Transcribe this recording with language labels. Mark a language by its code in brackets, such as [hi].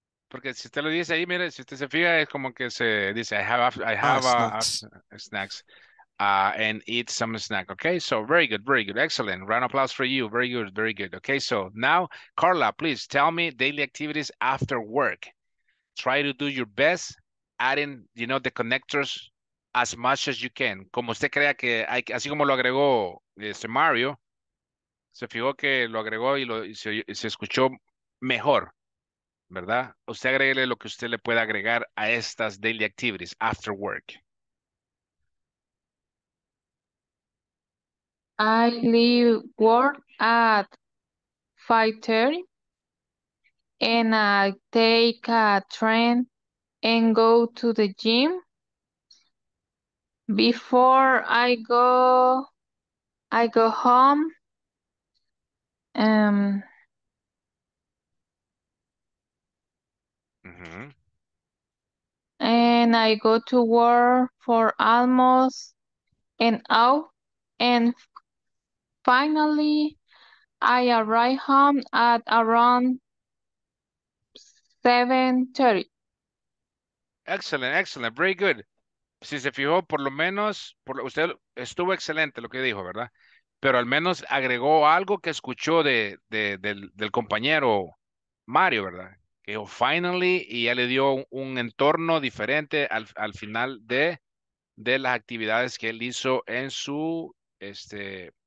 [es] Porque si usted lo dice ahí, mire, si usted se fija, es como que se dice, [en] I have snacks. And eat some snack, okay? So very good, very good. Excellent. Round of applause for you. Very good, very good. Okay, so now, Carla, please tell me daily activities after work. Try to do your best, adding, you know, the connectors as much as you can. [es] Como usted crea que, hay, así como lo agregó este Mario, se fijó que lo agregó y, lo, y se escuchó mejor, ¿verdad? Usted agregue lo que usted le pueda agregar a estas [en] daily activities after work. I leave work at 5:30 and I take a train and go to the gym. Before I go home. And I go to work for almost an hour and finally, I arrive home at around 7:30. Excellent, excellent, very good. [es] Si se fijó, por lo menos, por lo, usted estuvo excelente lo que dijo, ¿verdad? Pero al menos agregó algo que escuchó del compañero Mario, ¿verdad? Que dijo, finally, y ya le dio un entorno diferente al, al final de las actividades que él hizo en su, este...